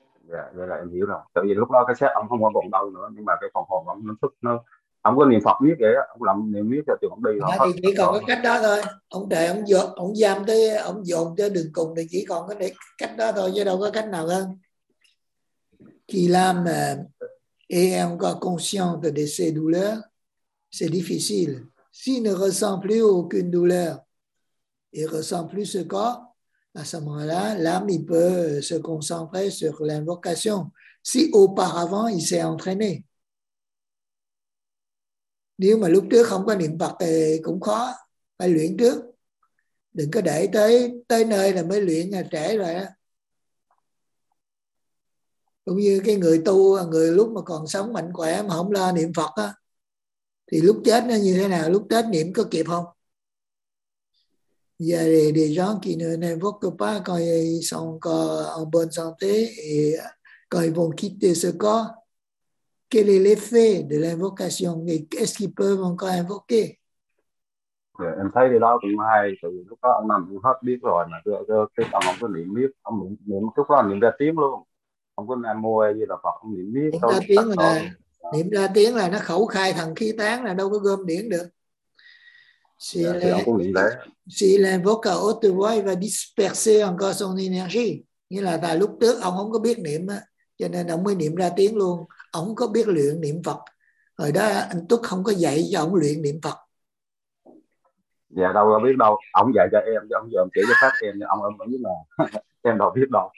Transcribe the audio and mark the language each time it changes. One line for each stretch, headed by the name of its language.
Vietnamese: Dạ, vậy là em hiểu rồi. Tự nhiên lúc đó cái xác ông không có còn đau nữa, nhưng mà cái phần hồn ông nó thức, nó ông có niệm Phật biết vậy á, ông làm niệm biết cho trường ông đi. Dạ, thì chỉ còn cái cách đó thôi. Ông trời ông dọn, ông giam tới, ông dồn tới đường cùng thì chỉ còn cái cách đó thôi, chứ đâu có cách nào hơn.
French: Qui l'âme est encore consciente de ses douleurs, c'est difficile. S'il ne ressent plus aucune douleur, il ne ressent plus ce corps, à ce moment-là, l'âme il peut se concentrer sur l'invocation. Si auparavant, il s'est entraîné.
Vietnamese: Nếu mà lúc trước không có niệm Phật thì cũng khó, phải luyện trước. Đừng có để tới nơi là mới luyện là trễ rồi đó. Cũng như cái người tu, người lúc mà còn sống mạnh khỏe mà không lo niệm Phật á, thì lúc chết nó như thế nào, lúc chết niệm có kịp không?
French: Il y a des gens qui n'invoquent pas quand ils sont encore en bonne santé et quand ils vont quitter ce corps, quel est l'effet de l'invocation et qu'est-ce qu'ils peuvent encore invoquer?
Vietnamese: Em thấy điều đó cũng hay, từ lúc đó ông nằm cũng hết biết rồi mà cái ông không có niệm biết, ông niệm lúc đó niệm ra tiếng luôn. Không có nam mô hay gì là Phật, không niệm biết. Niệm ra tiếng là, niệm ra tiếng là nó khẩu khai thần khí tán, là đâu có gom điển được.
French: S'il invoque à haute voix, il va disperser encore son énergie.
Vietnamese: Nghĩa là tại lúc trước ông không có biết niệm á, cho nên ông mới niệm ra tiếng luôn. Ông có biết luyện niệm Phật. Rồi đó anh Túc không có dạy cho ông luyện niệm Phật. Dạ đâu có biết đâu. Ông dạy cho em, ông giờ ông chỉ cho khác em. Ông ở Mỹ mà. Em đâu biết đâu.